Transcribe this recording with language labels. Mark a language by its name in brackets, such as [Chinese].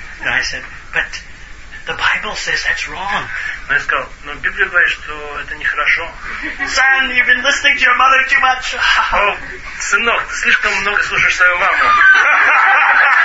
[English] And I said, but the Bible says that's wrong. [Russian] Но я сказал, но Библия говорит, что это нехорошо. [English] Son, you've been listening to your mother too much. [Russian] Сынок, ты слишком много слушаешь свою маму.